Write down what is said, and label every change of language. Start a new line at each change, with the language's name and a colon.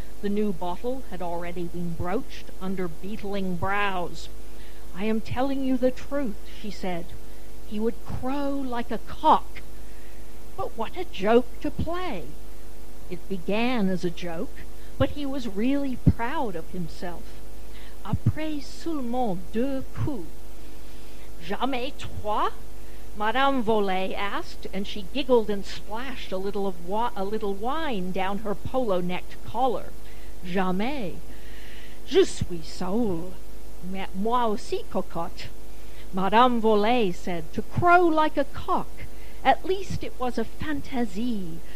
English: The new bottle had already been broached under beetling brows. "I am telling you the truth," she said. "He would crow like a cock. But what a joke to play. It began as a joke, but he was really proud of himself.
French: Après seulement deux coups, jamais trois?"
English: Madame Volet asked, and she giggled and splashed a little wine down her polo-necked collar. "Jamais.
French: Je suis saoul. Moi aussi, cocotte."
English: Madame Volet said, "To crow like a cock. At least it was a fantaisie.